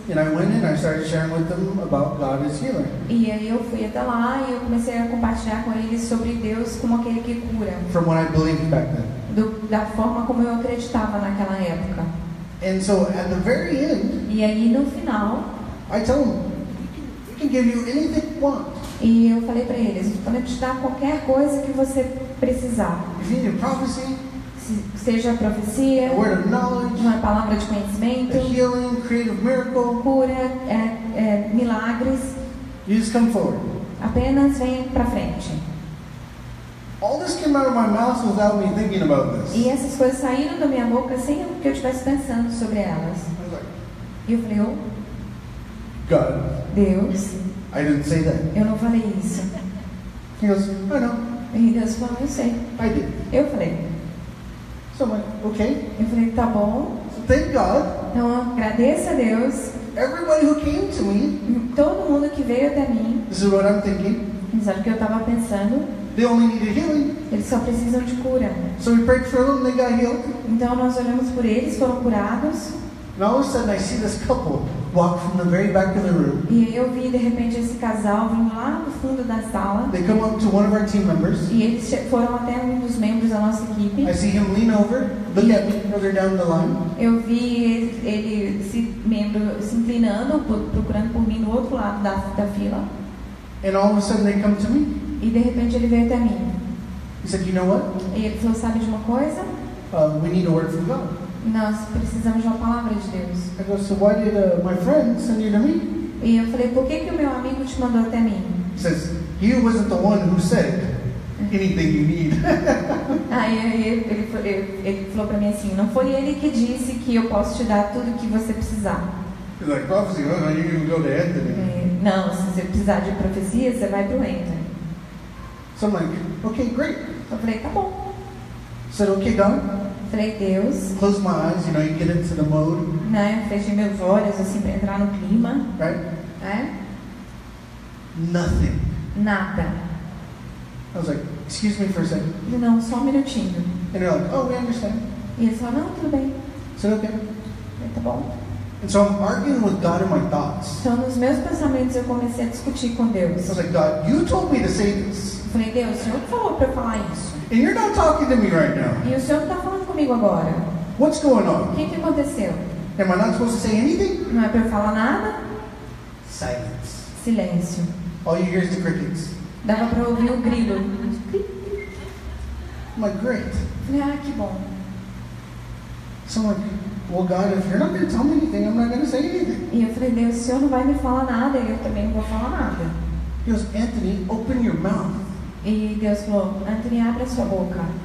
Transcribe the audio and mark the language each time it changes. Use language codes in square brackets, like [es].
[en] And I went in and I started sharing with them about God as healer. [pt] E aí eu fui até lá e eu comecei a compartilhar com eles sobre Deus como aquele que cura. [en] From what I believed back then. [pt] Da forma como eu acreditava naquela época. [en] And so at the very end. [pt] E aí no final. [en] I tell them, we can give you anything you want. [pt] E eu falei para eles, podemos te dar qualquer coisa que você precisar. Seja prophecy. Seja profecia, uma palavra de conhecimento, [en] healing, creative miracle, [pt] cura, milagres. [en] You just come forward. [pt] Apenas vem para frente. [en] All this came out of my mouth without me thinking about this. [pt] E essas coisas saíram da minha boca sem que eu estivesse pensando sobre elas. [en] Like, [pt] e eu falei, oh, [en] God, [pt] Deus, [en] I didn't say that. [pt] Eu não falei isso. [en] He goes, I know. [pt] E Deus falou, eu sei. [en] I did. [pt] Eu falei. [en] So I'm like, okay. [pt] Eu falei, tá bom. [en] So thank God. [pt] Então agradeça a Deus. [en] Everybody who came to me. [pt] Todo mundo que veio até mim. [en] This is what I'm thinking. [pt] Sabe o que eu estava pensando? [en] They only need a healing. [pt] Eles só precisam de cura. [en] So we prayed for them, they got healed. [pt] Então nós oramos por eles, foram curados. [en] Now all of a sudden I see this couple walk from the very back of the room. [pt] E eu vi de repente esse casal vindo lá no fundo da sala. [en] They come up to one of our team members. [pt] E eles foram até um dos membros da nossa equipe. [en] I see him lean over, look at me, further down the line. [pt] Eu vi ele esse membro se inclinando, procurando por mim no outro lado da fila. [en] And all of a sudden they come to me. [pt] E de repente ele veio até mim. [en] He said, "You know what?" [pt] E ele falou, sabe de uma coisa? [en] We need a word from God. [pt] Nós precisamos de uma palavra de Deus. [en] I go, so why did my friend send you to me? [pt] E eu falei, por que que o meu amigo te mandou até mim? [en] He says, he wasn't the one who said anything you need. [pt] Aí ele falou para mim assim, não foi ele que disse que eu posso te dar tudo que você precisar. [en] He's like, prophecy, well, you can go to Anthony. [pt] Não, se você precisar de profecia, você vai pro Anthony. [en] So I'm like, okay, great. [pt] Eu falei, tá bom. [en] Said, okay, God. [pt] Falei, Deus. [en] Close my eyes, you know, you get into the mode. [pt] Né? Fechei meus olhos assim para entrar no clima. [en] Right? [pt] É? [en] Nothing. [pt] Nada. [en] I was like, excuse me for a second. [pt] Não, só um minutinho. [en] And they're like, oh, we understand. [pt] E eles falaram, não, tudo bem. [en] Said, okay. [pt] Falei, tá bom. [en] And so I'm arguing with God in my thoughts. [pt] Então, nos meus pensamentos, eu comecei a discutir com Deus. [en] I was like, God, you told me to say this. [pt] Falei, Deus, o Senhor falou para falar isso. [en] And you're not talking to me right now. [pt] E o Senhor não está falando comigo agora. [en] What's going on? [pt] Que aconteceu? [en] Am I not supposed to say anything? [pt] Não é para eu falar nada? [en] Silence. [pt] Silêncio. [en] All you hear is the crickets. [pt] Dava para ouvir o grilo. [en] I'm like, great. [pt] Falei, ah, que bom. [en] So I'm like, well, God, if you're not going to tell me anything, I'm not going to say anything. [pt] E eu falei, Deus, o Senhor não vai me falar nada, eu também não vou falar nada. [en] He goes, Anthony, open your mouth. [pt] E Deus falou, Anthony, abre a sua boca.